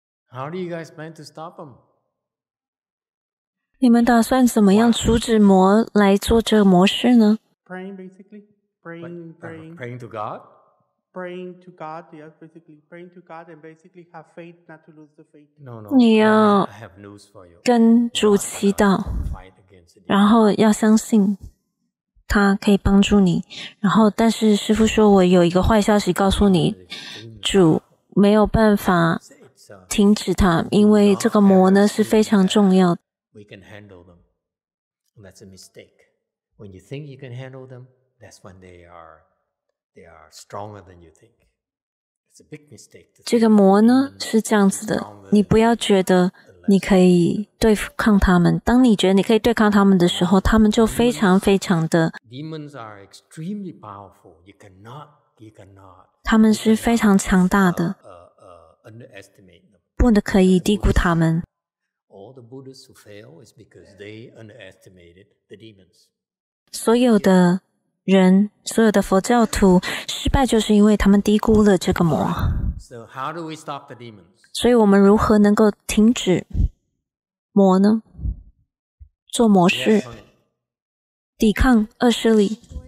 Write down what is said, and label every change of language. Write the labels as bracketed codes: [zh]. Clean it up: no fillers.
[en] How do you guys plan to stop him? [zh] 你们打算怎么样阻止魔来做这个模式呢？ [en] Praying, basically. Praying to God? Praying to God, yes, basically. Praying to God and basically have faith, not to lose the faith. No, no. [zh] 你要 [en] I have news for you. [zh] 跟主祈祷，然后要相信他可以帮助你。然后，但是师父说，我有一个坏消息告诉你，主没有办法停止他，因为这个魔呢是非常重要的。 [en] We can handle them. That's a mistake. When you think you can handle them,That's when they are stronger than you think. It's a big mistake. [zh] 这个魔呢是这样子的，你不要觉得你可以对抗他们。当你觉得你可以对抗他们的时候，他们就非常非常的。 [en] Demons are extremely powerful. You cannot. [zh] 他们是非常强大的。 [en] Underestimate them. [zh] 不能可以低估他们。 [en] All the Buddhists who fail is because they underestimated the demons. [zh] 所有的人所有的佛教徒失败就是因为他们低估了这个魔。 [en] So how do we stop the demons? [zh] 所以我们如何能够停止魔呢？做魔事，抵抗恶势力。